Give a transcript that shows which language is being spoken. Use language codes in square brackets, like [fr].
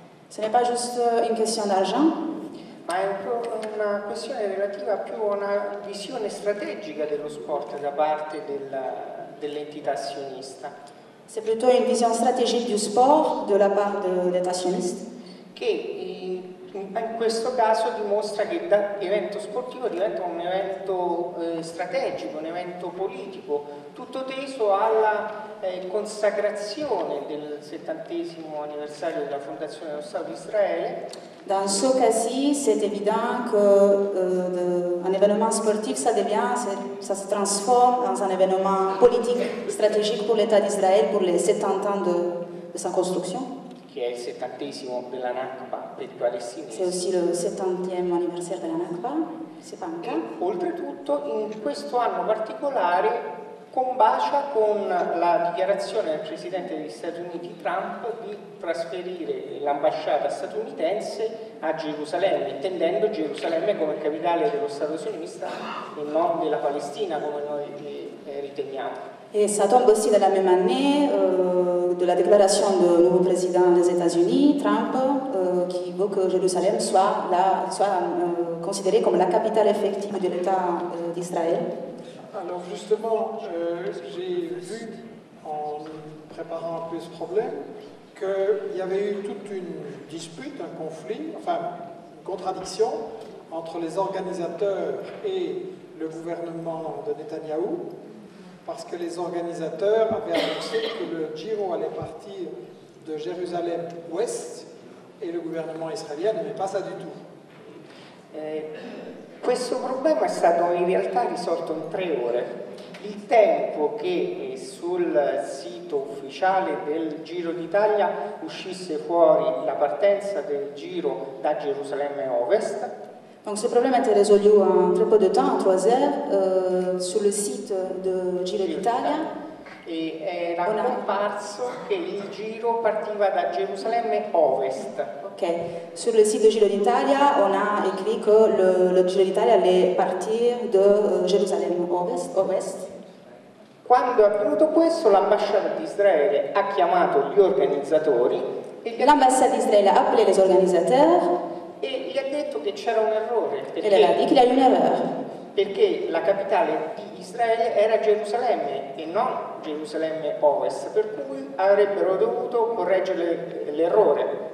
[fr] Ce n'est pas juste une question d'argent. Mais c'est une question relative à une vision stratégique du sport de la part de la... [it] dell'entità sionista. [fr] C'est plutôt une vision stratégique du sport de la part de l'État sioniste. [it] Che in questo caso dimostra che l'evento sportivo diventa un evento strategico, un evento politico, tutto teso alla consacrazione del 70° anniversario della fondazione dello Stato di Israele. [fr] Dans ce cas-ci, c'est évident que un événement sportif, ça se transforme dans un événement politique, stratégique pour l'État d'Israël, pour les 70 ans de sa construction. Qui est le 70° de la Nakba, [it] per i palestinesi. [fr] C'est aussi le 70e anniversaire de la Nakba, c'est pas un cas. [it] Oltretutto, in questo anno particolare, combacia con la dichiarazione del presidente degli Stati Uniti Trump di trasferire l'ambasciata statunitense a Gerusalemme, intendendo Gerusalemme come capitale dello Stato sionista e non della Palestina come noi riteniamo. [fr] E ça tombe aussi dans la même année de la déclaration du nouveau président des États-Unis Trump qui veut que Jérusalem soit considérée comme la capitale effective de l'État d'Israël. Alors justement, j'ai vu, en préparant un peu ce problème, qu'il y avait eu toute une dispute, un conflit, enfin une contradiction entre les organisateurs et le gouvernement de Netanyahou, parce que les organisateurs avaient annoncé que le Giro allait partir de Jérusalem-Ouest et le gouvernement israélien n'aimait pas ça du tout. [it] Questo problema è stato in realtà risolto in 3 ore. Il tempo che sul sito ufficiale del Giro d'Italia uscisse fuori la partenza del Giro da Gerusalemme Ovest. [fr] Donc ce problème a été résolu en très peu de temps, en 3 heures, sur le site de Giro d'Italia. [it] Et era comparso che il Giro partiva da Gerusalemme Ovest. [fr] Ok, sur le site de Giro d'Italia, on a écrit que le Giro d'Italia allait partir de Gerusalemme Ovest. [it] Quando è avvenuto questo, l'ambasciata di Israele ha chiamato gli organizzatori. L'ambasciata di Israele ha [fr] appelé les organisateurs. [it] E gli ha detto che c'era un errore. E le ha detto che c'era un errore. Perché la capitale di Israele era Gerusalemme e non Gerusalemme Ovest, per cui avrebbero dovuto correggere l'errore.